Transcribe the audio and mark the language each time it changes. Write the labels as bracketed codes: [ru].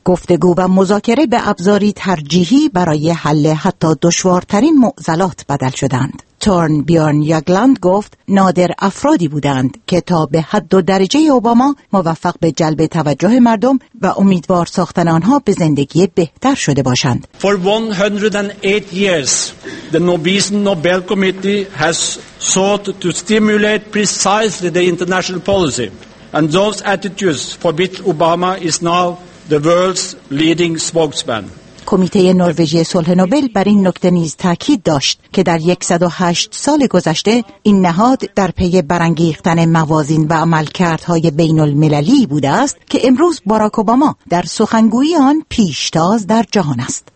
[fa] گفتگو و مذاکره به ابزاری ترجیحی برای حل حتی دشوارترین معضلات بدل شدند. تورن بیارن یاگلند گفت نادر افرادی بودند که تا به حد و درجه اوباما موفق به جلب توجه مردم و امیدوار ساختن آنها به زندگی بهتر شده باشند. [en] For 108 years, the Nobel Committee has sought to stimulate precisely the international policy and those attitudes for which Obama is now the world's leading spokesman. [fa] کمیته نروژی صلح نوبل بر این نکته نیز تاکید داشت که در 108 سال گذشته این نهاد در پی برانگیختن موازین و عملکردهای بین المللی بوده است که امروز باراک اوباما در سخنگویی آن پیشتاز در جهان است.